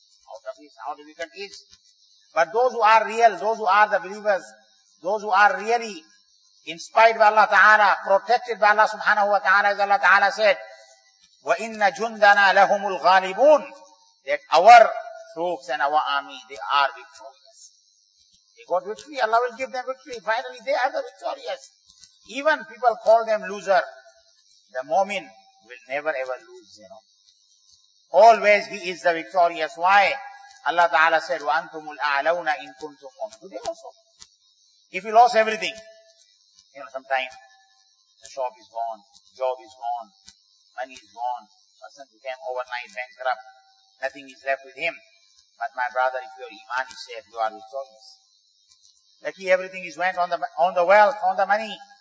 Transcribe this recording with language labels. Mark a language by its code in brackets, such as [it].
[en] Out of this, how difficult it is. But those who are real, those who are the believers, those who are really inspired by Allah Ta'ala, protected by Allah subhanahu wa ta'ala, as Allah Ta'ala said, [ar] وَإِنَّ جُنْدَنَا لَهُمُ الْغَالِبُونَ, [en] that our troops and our army, they are victorious. They got victory, Allah will give them victory. Finally, they are the victorious. Even people call them loser. The mu'min will never ever lose, you know. Always he is the victorious. Why? [ar] Allah Ta'ala said, وَأَنْتُمُ الْأَعْلَوْنَ إِن كُنْتُمْ مُؤْمِنِينَ. [en] Today also. If you lost everything, you know, sometimes the shop is gone, job is gone, money is gone, person became overnight bankrupt, nothing is left with him. But my brother, if your iman is safe, you are victorious. Lucky everything is went on the wealth, on the money.